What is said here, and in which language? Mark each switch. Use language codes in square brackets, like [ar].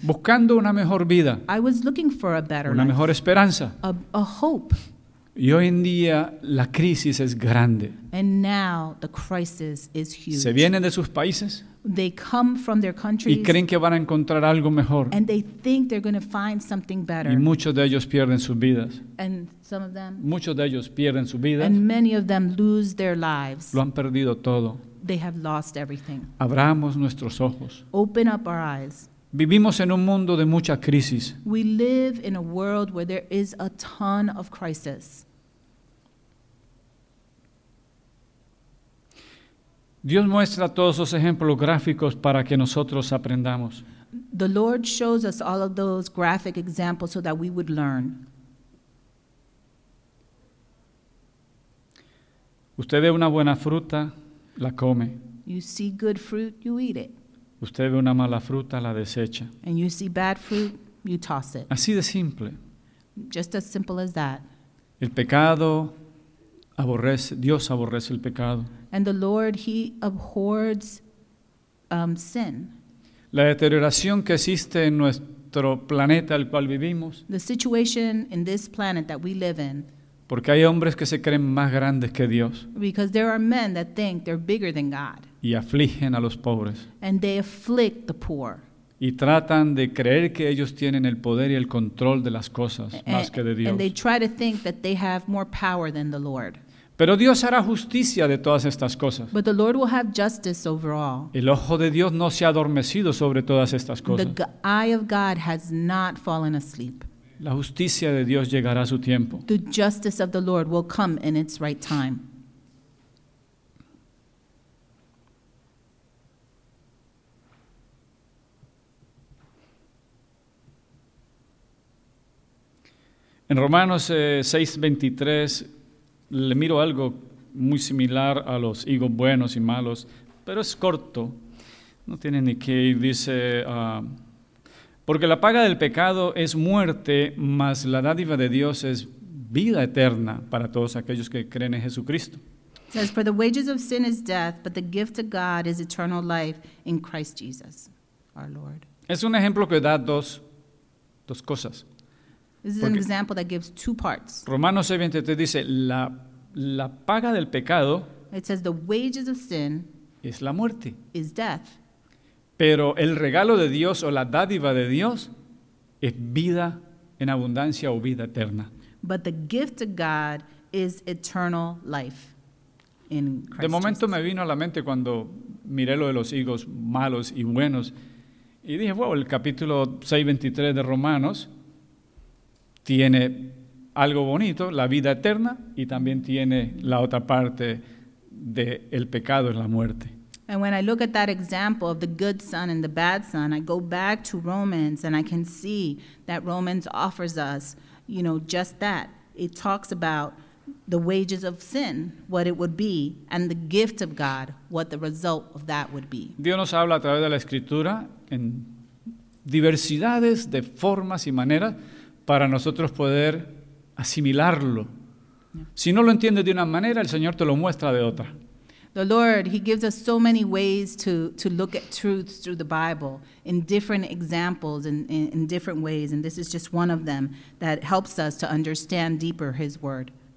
[es] Buscando una mejor vida. [en] I was looking for a better [es] una [en] life. [es] Mejor esperanza. [en] A hope. [es] Y hoy en día la crisis es grande. [en] And now the crisis is huge. [es] Se vienen de sus países. [en] They come from their countries. [es] Y creen que van a encontrar algo mejor. [en] And they think they're going to find something better. [es] Y muchos de ellos pierden sus vidas. [en] And some of them. [es] Muchos de ellos pierden sus vidas. [en] And many of them lose their lives. [es] Lo han perdido todo. [en] They have lost everything. [es] Abramos nuestros ojos. [en] Open up our eyes. [es] Vivimos en un mundo de mucha crisis. [en] We live in a world where there is a ton of crisis. [es] Dios muestra todos esos ejemplos gráficos para que nosotros aprendamos. [en] The Lord shows us all of those graphic examples so that we would learn. [es] Usted ve una buena fruta, la come. [en] You see good fruit, you eat it. [es] Usted ve una mala fruta, la desecha. [en] And you see bad fruit, you toss it. [es] Así de simple. [en] Just as simple as that. [es] El pecado aborrece, Dios aborrece el pecado. [en] And the Lord, he abhors sin. [es] La deterioración que existe en nuestro planeta al cual vivimos. [en] The situation in this planet that we live in. [es] Porque hay hombres que se creen más grandes que Dios. [en] Because there are men that think they're bigger than God. [es] Y afligen a los pobres. [en] And they afflict the poor. [es] Y tratan de creer que ellos tienen el poder y el control de las cosas más que de Dios. [en] And they try to think that they have more power than the Lord. [es] Pero Dios hará justicia de todas estas cosas. [en] But the Lord will have justice over all. [es] El ojo de Dios no se ha adormecido sobre todas estas cosas. [en] The eye of God has not fallen asleep. [es] La justicia de Dios llegará a su tiempo. [en] The justice of the Lord will come in its right time. [es] En Romanos 6:23 le miro algo muy similar a los higos buenos y malos, pero es corto, no tiene ni que ir. Dice, porque la paga del pecado es muerte, mas la dádiva de Dios es vida eterna para todos aquellos que creen en Jesucristo. [en] It says, for the wages of sin is death, but the gift of God is eternal life in Christ Jesus, our Lord. [es] Es un ejemplo que da dos cosas. [en] This is an example that gives two parts. [es] Romanos 6:23 dice, la paga del pecado, [en] it says the wages of sin, [es] es la muerte, [en] is death. [es] Pero el regalo de Dios o la dádiva de Dios es vida en abundancia o vida eterna. [en] But the gift of God is eternal life in Christ. [es] De momento [en] Jesus. [es] Me vino a la mente cuando miré lo de los higos malos y buenos y dije, wow, el capítulo 6:23 de Romanos tiene algo bonito, la vida eterna, y también tiene la otra parte de el pecado en la muerte. [en] And when I look at that example of the good son and the bad son, I go back to Romans and I can see that Romans offers us, you know, just that. It talks about the wages of sin, what it would be, and the gift of God, what the result of that would be. [es] Dios nos habla a través de la Escritura en diversidades de formas y maneras para nosotros poder asimilarlo. Si no lo entiendes de una manera, el Señor te lo muestra de otra. [en] The Lord, he gives us so many ways to look at truths through the Bible in different examples and in different ways, and this is just one of them that helps us to understand deeper his word.